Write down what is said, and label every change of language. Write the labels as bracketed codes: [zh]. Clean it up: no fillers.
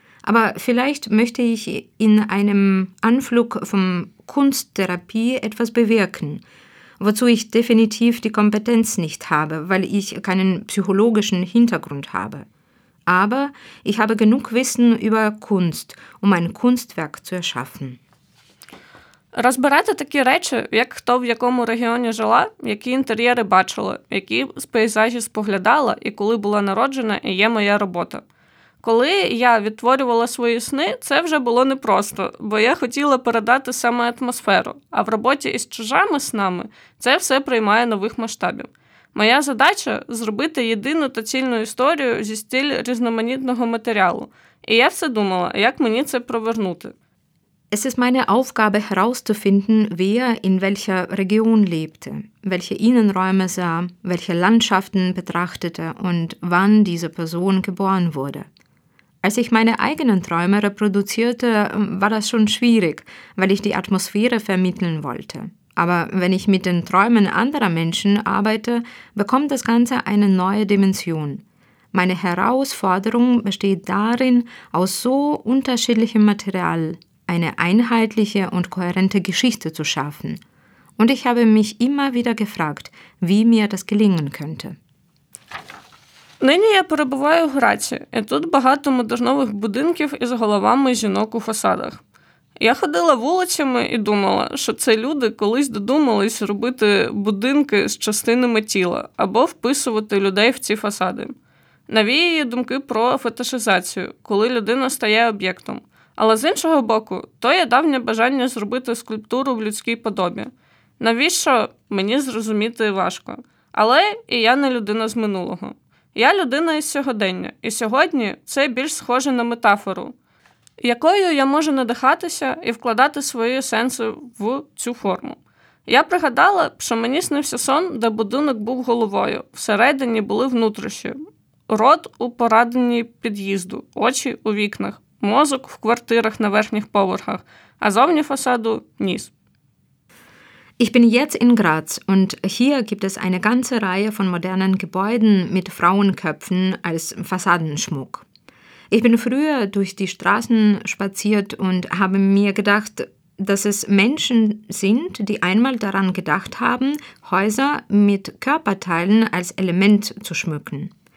[de] Aber vielleicht möchte ich in einem Anflug von Kunsttherapie etwas bewirken, wozu ich definitiv die Kompetenz nicht habe, weil ich keinen psychologischen Hintergrund habe. Aber ich habe genug Wissen über Kunst, um ein Kunstwerk zu erschaffen. [uk] Розбирати такі речі, як хто в якому регіоні жила, які інтер'єри бачила, які з пейзажі споглядала і коли була народжена, і є моя робота. Коли я відтворювала свої сни, це вже було непросто, бо я хотіла передати саме атмосферу, а в роботі із чужими снами це все приймає нових масштабів. Моя задача – зробити єдину та цільну історію зі стиль різноманітного матеріалу. І я все думала, як мені це провернути. [de] Es ist meine Aufgabe herauszufinden, wer in welcher Region lebte, welche Innenräume sah, welche Landschaften betrachtete und wann diese Person geboren wurde. Als ich meine eigenen Träume reproduzierte, war das schon schwierig, weil ich die Atmosphäre vermitteln wollte. Aber wenn ich mit den Träumen anderer Menschen arbeite, bekommt das Ganze eine neue Dimension. Meine Herausforderung besteht darin, aus so unterschiedlichem Material eine einheitliche und kohärente Geschichte zu schaffen. Und ich habe mich immer wieder gefragt, wie mir das gelingen könnte. [uk] Нині я перебуваю в Граці, і тут багато модернових будинків із головами жінок у фасадах. Я ходила вулицями і думала, що це люди колись додумались робити будинки з частинами тіла або вписувати людей в ці фасади. Навіює думки про фетишизацію, коли людина стає об'єктом. Але з іншого боку, то є давнє бажання зробити скульптуру в людській подобі. Навіщо? Мені зрозуміти важко. Але і я не людина з минулого. Я людина із сьогодення, і сьогодні це більш схоже на метафору, якою я можу надихатися і вкладати свої сенси в цю форму. Я пригадала, що мені снився сон, де будинок був головою, всередині були внутріші. Рот у порадині під'їзду, очі у вікнах, мозок в квартирах на верхніх поверхах, а зовні фасаду – ніс. [de] Ich bin jetzt in Graz und hier gibt es eine ganze Reihe von modernen Gebäuden mit Frauenköpfen als Fassadenschmuck. Ich bin früher durch die Straßen spaziert und habe mir gedacht, dass es Menschen sind, die einmal daran gedacht haben, Häuser mit Körperteilen als Element zu schmücken.